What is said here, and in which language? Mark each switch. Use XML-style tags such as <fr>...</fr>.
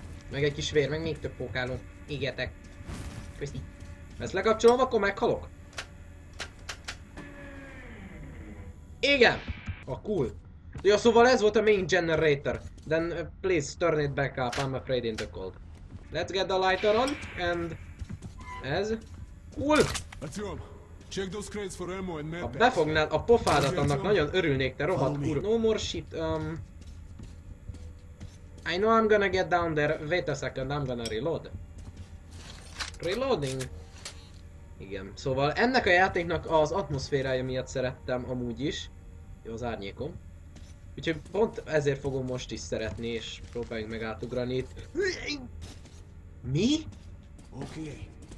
<hu>Meg egy kis vér, meg még több pókáló. Égjetek. Köszi. Ezt lekapcsolom, akkor meghalok. Igen. A cool. Ja, szóval ez volt a main generator.</hu> <en>Then please turn it back up, I'm afraid in the cold. Let's get the lighter on, and... ez... cool! Atyom, check those crates for ammo and medpacks.</en> <hu>Ha befognád a pofádat, annak nagyon örülnék, te rohadt kur...</hu> <en>No more shit, I know I'm gonna get down there, wait a second, I'm gonna reload. Reloading?</en> <hu>Igen, szóval ennek a játéknak az atmoszférája miatt szerettem amúgy is. Jó, az árnyékom. Úgyhogy pont ezért fogom most is szeretni, és próbáljunk meg átugrani itt. Mi? Oké.</hu>